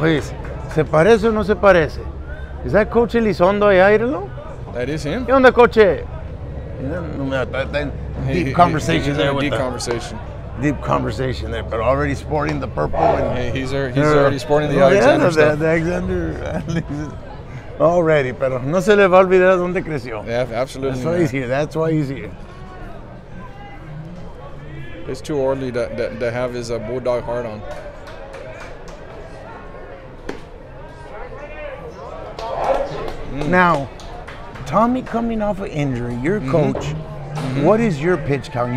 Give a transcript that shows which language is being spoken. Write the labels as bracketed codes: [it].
[en] Wait, [es] ¿se parece o no se parece? [en] Is that Coach Elizondo Ayrelo? That is him. [es] ¿Qué onda, Coach? [en] Deep conversation. Deep conversation there, but already sporting the purple. And he's already sporting the Alexander stuff. Alexander. Already, [es] pero no se le va a olvidar dónde creció. [en] Yeah, absolutely. That's why he's here. It's too early to have his bulldog heart on. Now, Tommy coming off of injury, your coach, what is your pitch count?